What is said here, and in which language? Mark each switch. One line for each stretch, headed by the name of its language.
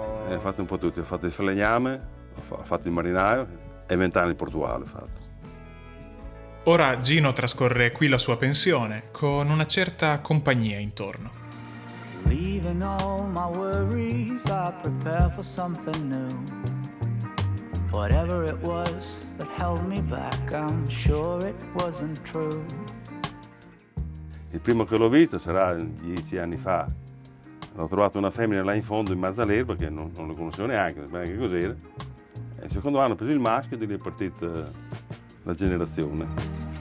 Italian: Ho fatto un po' tutti, ho fatto il falegname, ho fatto il marinaio e 20 anni in Portuale ho fatto. Ora Gino trascorre qui la sua pensione con una certa compagnia intorno.
English: Leaving all my worries, I prepare for something new. Whatever it was that held me back, I'm sure it wasn't true.
Italian: Il primo che l'ho visto sarà 10 anni fa. L'ho trovato una femmina là in fondo in mezzo all'erba che non lo conoscevo neanche cos'era. E il secondo anno ho preso il maschio e lì è partita la generazione.